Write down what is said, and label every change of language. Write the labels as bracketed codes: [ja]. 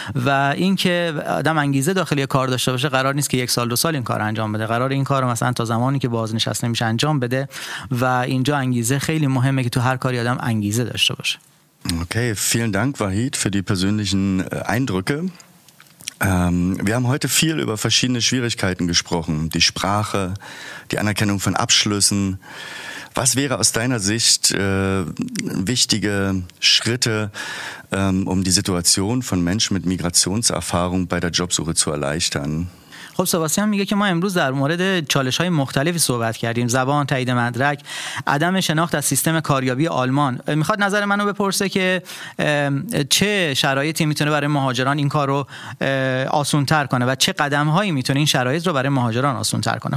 [fa] و اینکه آدم انگیزه داخلی کار داشته باشه، قرار نیست که یک سال دو سال این کار انجام بده، قرار این کار مثلا تا زمانی که بازنشسته میشه انجام بده. و اینجا انگیزه خیلی مهمه که تو هر کاری آدم انگیزه داشته باشه. [de] اوکی، vielen Dank Wahid für die persönlichen Eindrücke. Wir haben heute viel über verschiedene Schwierigkeiten gesprochen. Die Sprache, die Anerkennung von Abschlüssen. Was wäre aus deiner Sicht wichtige Schritte, um die Situation von Menschen mit Migrationserfahrung bei der Jobsuche zu erleichtern? [fa] خب سباستیان میگه که ما امروز در مورد چالش‌های مختلفی صحبت کردیم، زبان، تایید مدرک، عدم شناخت از سیستم کاریابی آلمان. میخواد نظر منو بپرسه که چه شرایطی میتونه برای مهاجران این کارو آسان‌تر کنه و چه قدم‌هایی میتونه این شرایط رو برای مهاجران آسان‌تر کنه.